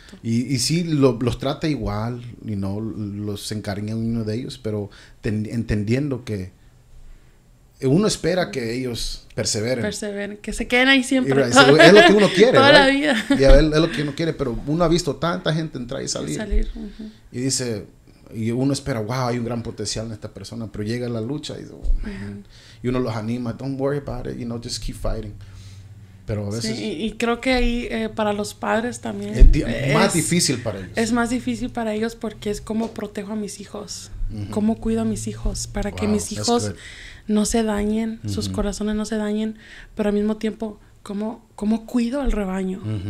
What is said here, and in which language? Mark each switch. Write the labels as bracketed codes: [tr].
[es] Y sí, los trata igual, los encariña uno de ellos, pero entendiendo que uno espera que ellos perseveren, que se queden ahí siempre. Es lo que uno quiere. Toda La vida. Y es lo que uno quiere, pero uno ha visto tanta gente entrar y salir. Uh-huh. Y dice, y uno espera, wow, hay un gran potencial en esta persona, pero llega la lucha y, oh, man. Uh-huh. Y uno los anima, [en] don't worry about it, just keep fighting. [es] Pero a veces sí, y creo que ahí para los padres también es más difícil para ellos. Es más difícil para ellos porque es cómo protejo a mis hijos. Uh-huh. Cómo cuido a mis hijos para que mis hijos no se dañen, uh-huh. sus corazones no se dañen, pero al mismo tiempo cómo cuido al rebaño, uh-huh.